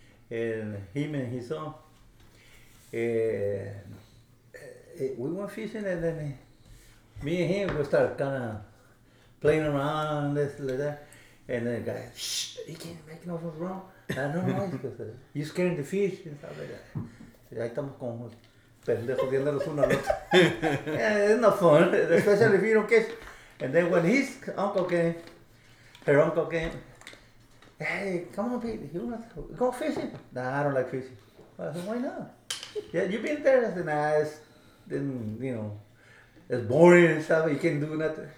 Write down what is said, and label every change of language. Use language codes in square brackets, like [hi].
[en] And him and his son. And we went fishing and then me and him, we started kind of, playing around and this like that. And then the guy, shh, he can't make nothing wrong. I know, you scaring the fish and stuff like that. [es] Ahí estamos con pendejo viendo los uno al otro. [en] Yeah, it's not fun, especially if you don't catch. And then when his uncle came, her uncle came, hey, come on, Pete, you want to go fishing? Nah, I don't like fishing. I said, why not? Yeah, you've been there. I said, nah, it's, then, you know, it's boring and stuff, you can't do nothing.